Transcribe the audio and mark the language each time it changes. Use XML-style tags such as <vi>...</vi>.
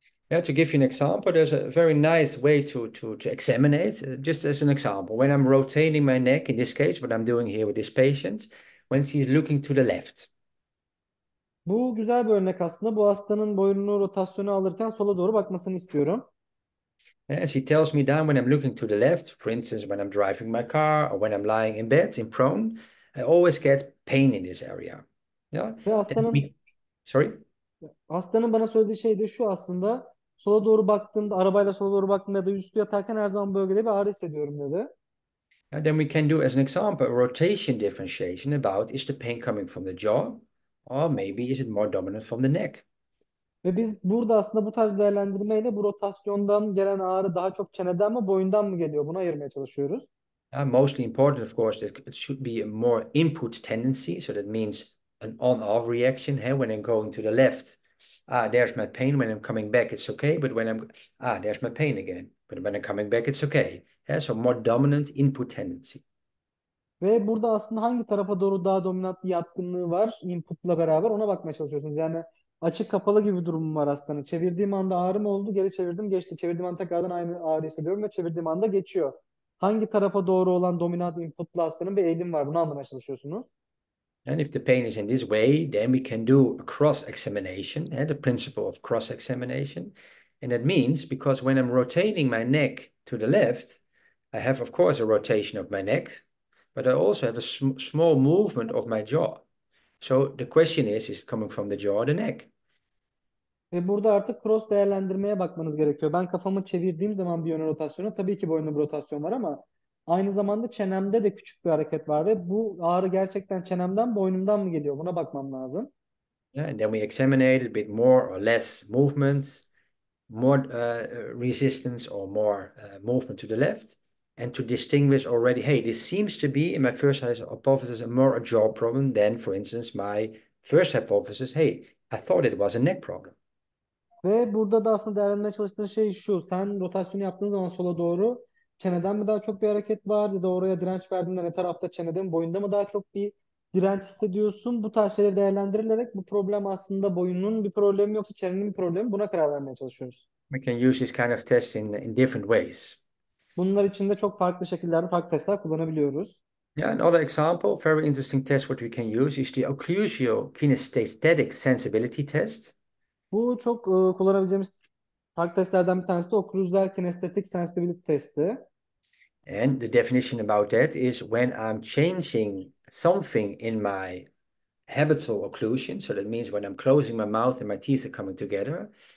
<en>Yeah, to give you an example, there's a very nice way to examine it. Just as an example, when I'm rotating my neck, in this case, what I'm doing here with this patient, when she's looking to the left.</en> <tr>Bu güzel bir örnek aslında. Bu hastanın boynunu rotasyonu alırken sola doğru bakmasını istiyorum.</tr> <en>And she tells me down when I'm looking to the left, for instance, when I'm driving my car or when I'm lying in bed in prone, I always get pain in this area. Yeah.</en> <tr>Ve</tr> <en>Then we, sorry.</en> <tr>hastanın bana söylediği şey de şu aslında. Sola doğru baktığımda, arabayla sola doğru baktığımda ya da üstü yatarken her zaman bölgede bir ağrı hissediyorum dedi.</tr> <en>Then we can do as an example a rotation differentiation about is the pain coming from the jaw or maybe is it more dominant from the neck?</en> <tr>Ve biz burada aslında bu tarz değerlendirmeyle bu rotasyondan gelen ağrı daha çok çeneden mi, boyundan mı geliyor? Bunu ayırmaya çalışıyoruz.</tr> <en>Mostly important, of course, that it should be a more input tendency. So that means an on-off reaction. Hey, when I'm going to the left, there's my pain. When I'm coming back, it's okay. But when I'm there's my pain again. But when I'm coming back, it's okay. Has a more dominant input tendency.</en> <tr>Ve burada aslında hangi tarafa doğru daha dominant bir yatkınlığı var inputla beraber ona bakmaya çalışıyorsunuz. Yani açık kapalı gibi bir durum var aslında. Çevirdiğim anda ağrı mı oldu, geri çevirdim geçti. Çevirdiğim anda tekrardan aynı ağrı hissediyorum ve çevirdiğim anda geçiyor. Hangi tarafa doğru olan dominant inputla hastanın bir eğilim var bunu anlamaya çalışıyorsunuz.</tr> <en>And if the pain is in this way, then we can do a cross examination, and the principle of cross examination. And that means because when I'm rotating my neck to the left, I have, of course, a rotation of my neck, but I also have a sm small movement of my jaw. So the question is it coming from the jaw or the neck?</en> <tr>Ve burada artık cross değerlendirmeye bakmanız gerekiyor. Ben kafamı çevirdiğim zaman bir yöne rotasyonu, tabii ki boynumda bir rotasyon var ama aynı zamanda çenemde de küçük bir hareket var ve bu ağrı gerçekten çenemden, boynumdan mı geliyor? Buna bakmam lazım.</tr> <en>Yeah, and then we examine it a bit more or less movements. More resistance or more movement to the left, and to distinguish already, hey, this seems to be in my first hypothesis a more a jaw problem than, for instance, my first hypothesis, hey, I thought it was a neck problem.</en> <tr>Ve burada da aslında değerlendirmeye çalıştığın şey şu. Sen rotasyonu yaptığın zaman sola doğru çeneden mi daha çok bir hareket var ya da oraya direnç verdiğinde ne tarafta çenede mi boyunda mı daha çok bir direnç hissediyorsun? Bu tarz şeyler değerlendirilerek bu problem aslında boyunun bir problemi yoksa çenenin bir problemi buna karar vermeye çalışıyoruz.</tr> <en>We can use this kind of test in different ways.</en> <tr>Bunlar için de çok farklı şekillerde farklı testler kullanabiliyoruz.</tr> <en>Yeah, another example, very interesting test what we can use is the occlusio kinesthetic sensibility test.</en> <tr>Bu çok kullanabileceğimiz farklı testlerden bir tanesi de okluzal kinestetik sensitivity testi.</tr> <en>And the definition about that is when I'm changing something in my habitual occlusion, so that means when I'm closing my mouth and my teeth are coming together.</en>